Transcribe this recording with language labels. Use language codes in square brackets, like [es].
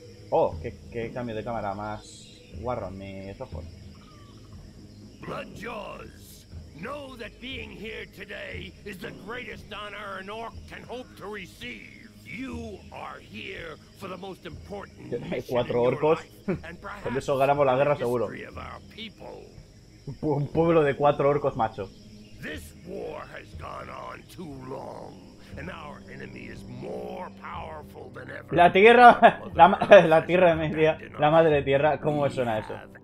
[es] Oh, qué cambio de cámara más guarro en mis ojos. [en] Blood Jaws, Know that being here today is the greatest honor an orc can hope to receive. You are here for the most important [es] cuatro orcos. Con eso ganamos la guerra seguro. Un pueblo de cuatro orcos, macho. [en] This war has gone on too long, and our enemy is more powerful than ever. [es] La tierra, la tierra media, la madre tierra, ¿cómo suena eso?